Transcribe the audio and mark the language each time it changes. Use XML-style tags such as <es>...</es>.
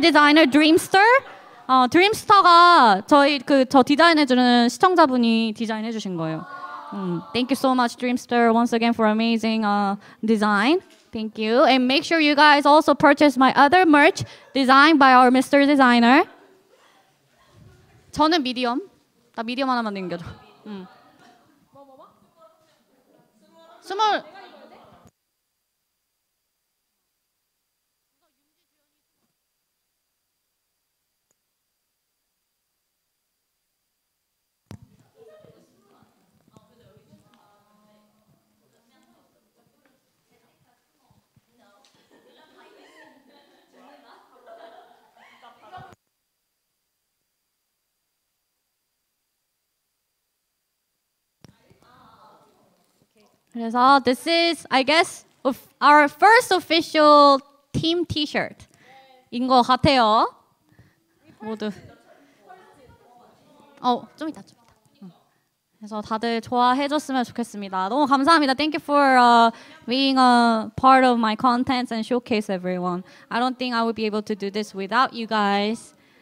<ko>Designer, Dreamster. Dreamster가 저희 저 디자인해주는 시청자분이 디자인해주신 거예요.</ko> <en>Thank you so much, Dreamster, once again for amazing design. Thank you. And make sure you guys also purchase my other merch designed by our Mr.</en> <ko>Designer. 저는 미디엄. 나 미디엄 하나만 남겨줘. 스몰.</ko> <en>그래서 this is, I guess, our first official team T-shirt</en> <ko>인 것 같아요. 모두. 좀 이따. 그래서 다들 좋아해줬으면 좋겠습니다. 너무 감사합니다.</ko> <en>Thank you for being a part of my contents and showcase, everyone. I don't think I would be able to do this without you guys.</en>